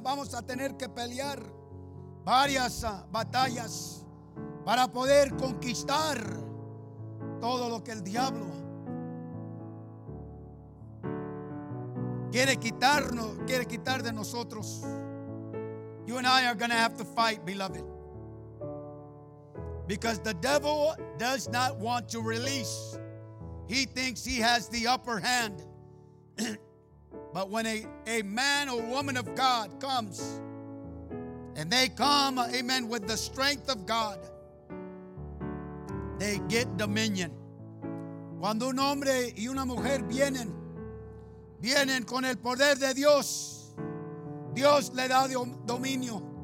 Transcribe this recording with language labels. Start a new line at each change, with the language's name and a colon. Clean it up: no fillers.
Spanish: Vamos a tener que pelear varias batallas para poder conquistar todo lo que el diablo quiere quitar de nosotros.
English: You and I are going to have to fight, beloved. Because the devil does not want to release. He thinks he has the upper hand. But when a man or woman of God comes, and they come, amen, with the strength of God, they get dominion.
Spanish: Cuando un hombre y una mujer vienen con el poder de Dios, Dios le da dominio.